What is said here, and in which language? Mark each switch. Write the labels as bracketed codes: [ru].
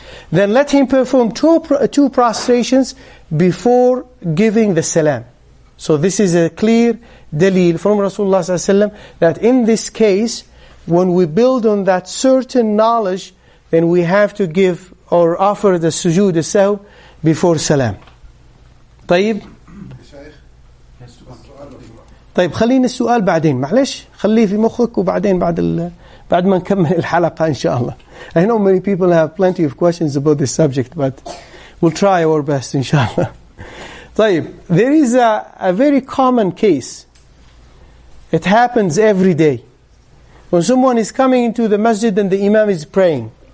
[en] Then let him perform two prostrations before giving the salam. So this is a clear dalil from Rasulullah Sallallahu Alaihi Wasallam that in this case, when we build on that certain knowledge, then we have to give or offer the sujood as-sahw before salam. [ar] طيب. طيب خلينا السؤال بعدين معلش خليه في مخك وبعدين بعد ال بعد ما نكمل الحلقة إن شاء الله. [en] I know many people have plenty of questions about this subject, but we'll try our best [ar] إن شاء الله. طيب. [en] There is a very common case. It happens every day when someone is coming into the masjid and the imam is praying.